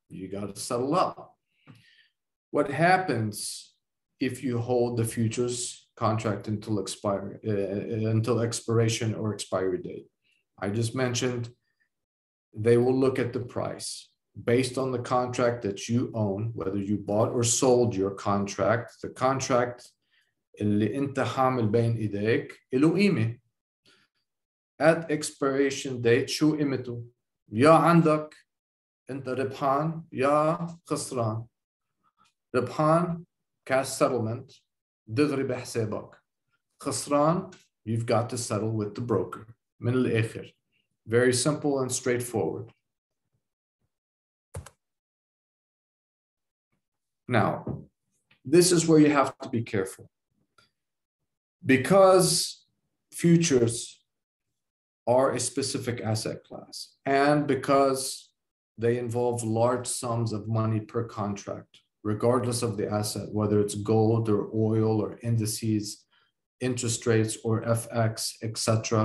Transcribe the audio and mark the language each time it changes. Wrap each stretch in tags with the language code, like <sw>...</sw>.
<en>You got to settle up. What happens if you hold the futures contract until expiry, until expiration or expiry date? I just mentioned they will look at the price. Based on the contract that you own, whether you bought or sold your contract, the contract</en> <ar>اللي انت حامل بين ايديك له قيمة.</ar> <en>At expiration date,</en> <ar>شو قيمته؟ يا عندك انت ربحان يا خسران. ربحان,</ar> <en>cash settlement,</en> <ar>دغري بحسابك. خسران,</ar> <en>you've got to settle with the broker.</en> <ar>من الاخر.</ar> <en>Very simple and straightforward. Now, this is where you have to be careful. Because futures are a specific asset class, and because they involve large sums of money per contract, regardless of the asset, whether it's gold or oil or indices, interest rates or FX, etc.</en>